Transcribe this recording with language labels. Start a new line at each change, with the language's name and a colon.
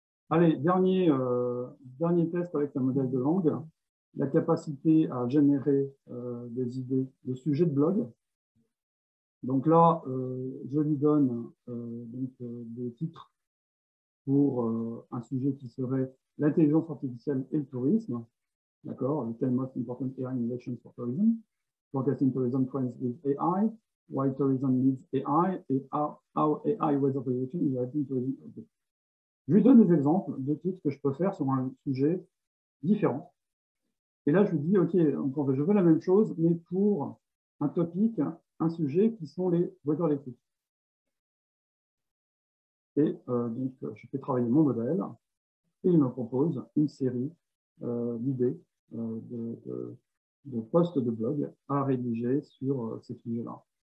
French: Allez, dernier test avec un modèle de langue, la capacité à générer des idées de sujets de blog. Donc là, je lui donne des titres pour un sujet qui serait l'intelligence artificielle et le tourisme. D'accord,
English: the 10 most important AI innovations for tourism, forecasting tourism trends with AI, why tourism needs AI, et how AI weather prediction is helping tourism. Okay.
French: Je lui donne des exemples de titres que je peux faire sur un sujet différent. Et là, je lui dis, OK, donc en fait, je veux la même chose, mais pour un topic, un sujet qui sont les voitures électriques. Et je fais travailler mon modèle et il me propose une série l'idée de postes de blog à rédiger sur ces sujets-là.